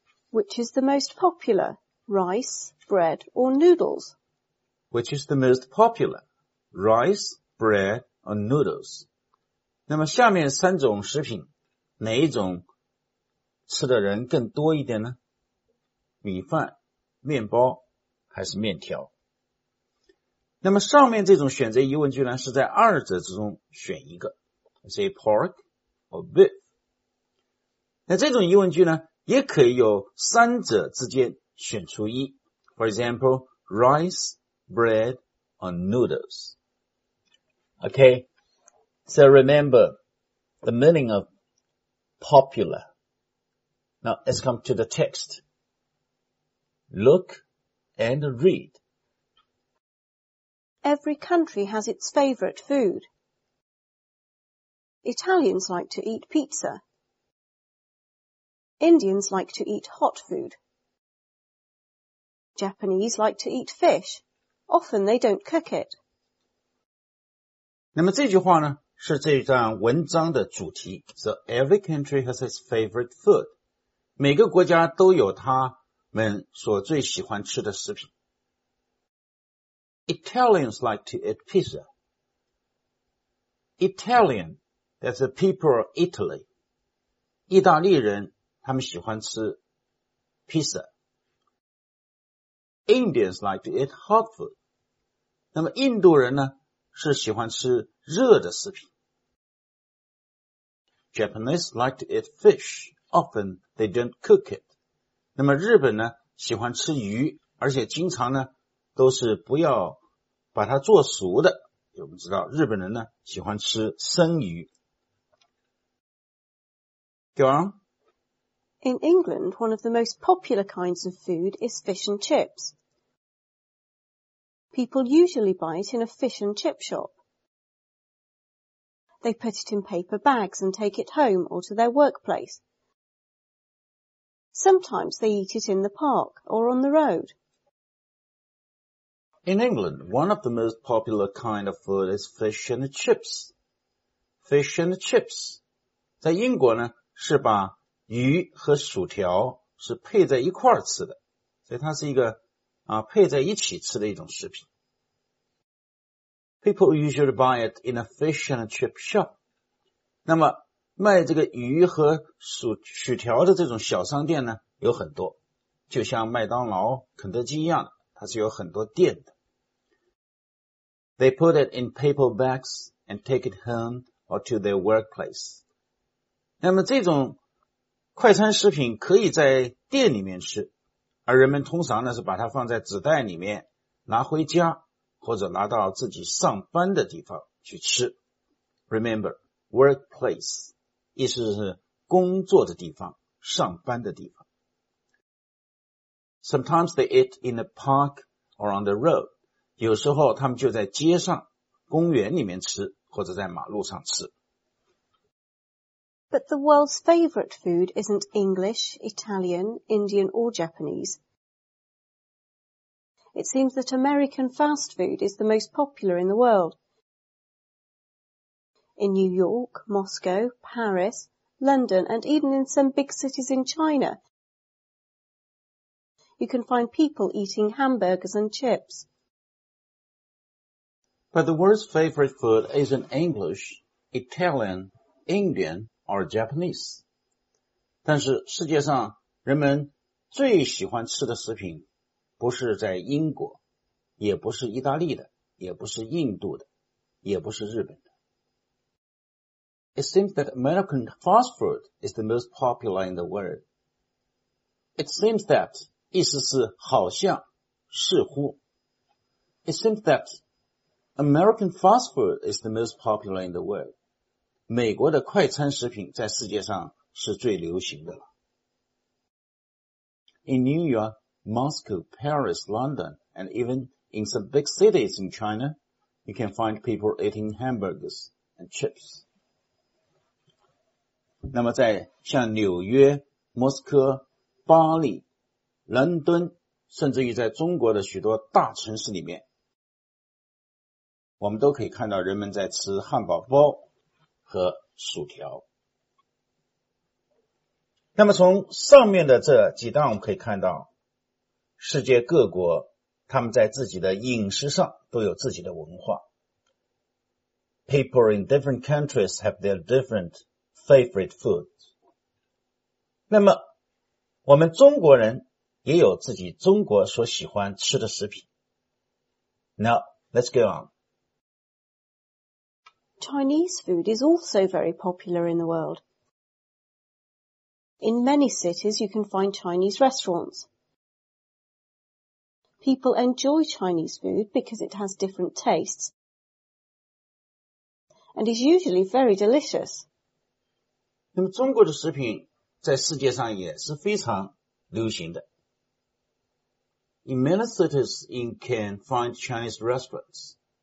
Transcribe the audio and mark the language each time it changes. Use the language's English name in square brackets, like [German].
[English] Which is the most popular? Rice, bread or noodles? Which is the most popular? Rice,Bread or noodles. [Chinese] 那么下面三种食品哪一种吃的人更多一点呢？米饭、面包还是面条？那么上面这种选择疑问句呢是在二者之中选一个。 [English] Say pork or beef. [Chinese] 那这种疑问句呢也可以有三者之间选出一。 [English] For example, rice, bread or noodles.Okay, so remember, the meaning of popular. Now, let's come to the text. Look and read. Every country has its favorite food. Italians like to eat pizza. Indians like to eat hot food. Japanese like to eat fish. Often they don't cook it. [Chinese] 那么这句话呢，是这一段文章的主题。 [English] So every country has its favorite food. [Chinese] 每个国家都有他们所最喜欢吃的食品。 [English] Italians like to eat pizza. Italian, that's the people of Italy. [Chinese] 意大利人他们喜欢吃 pizza. [English] Indians like to eat hot food. [Chinese] 那么印度人呢，是喜欢吃热的食品。 [English] Japanese like to eat fish. Often they don't cook it. [Chinese] 那么日本呢，喜欢吃鱼，而且经常呢，都是不要把它做熟的。我们知道日本人呢，喜欢吃生鱼。 [English] Go on. In England, one of the most popular kinds of food is fish and chips. People usually buy it in a fish and chip shop. They put it in paper bags and take it home or to their workplace. Sometimes they eat it in the park or on the road. In England, one of the most popular kind of food is fish and chips. Fish and chips. [Chinese] 在英国呢，是把鱼和薯条是配在一块儿吃的。所以它是一个啊配在一起吃的一种食品。 [English] People usually buy it in a fish and chip shop. [Chinese] 那么卖这个鱼和薯条的这种小商店呢有很多。就像麦当劳、肯德基一样，它是有很多店的。 [English] They put it in paper bags and take it home or to their workplace. [Chinese] 那么这种快餐食品可以在店里面吃，而人们通常呢是把它放在纸袋里面拿回家或者拿到自己上班的地方去吃。 [English] Remember, workplace, [Chinese] 意思是工作的地方，上班的地方。 [English] Sometimes they eat in the park or on the road. [Chinese] 有时候他们就在街上、公园里面吃或者在马路上吃。 [English] But the world's favorite food isn't English, Italian, Indian or Japanese. It seems that American fast food is the most popular in the world. In New York, Moscow, Paris, London and even in some big cities in China, you can find people eating hamburgers and chips. But the world's favorite food isn't English, Italian, Indian,or Japanese. [Chinese] 但是世界上人们最喜欢吃的食品不是在英国，也不是意大利的，也不是印度的，也不是日本的。 [English] It seems that American fast food is the most popular in the world. It seems that, [Chinese] 意思是好像，似乎。 [English] It seems that American fast food is the most popular in the world. [Chinese] 美国的快餐食品在世界上是最流行的了。 In New York, Moscow, Paris, London, and even in some big cities in China, you can find people eating hamburgers and chips. 那么在像纽约、莫斯科、巴黎、伦敦，甚至于在中国的许多大城市里面，我们都可以看到人们在吃汉堡包和薯条。那么从上面的这几段我们可以看到，世界各国他们在自己的饮食上都有自己的文化。 [English] People in different countries have their different favorite foods. [Chinese] 那么我们中国人也有自己中国所喜欢吃的食品。 [English] Now, let's go on. Chinese food is also very popular in the world. In many cities, you can find Chinese restaurants. People enjoy Chinese food because it has different tastes and is usually very delicious. [Chinese] 那么中国的食品在世界上也是非常流行的。 [English] In many cities, you can find Chinese restaurants.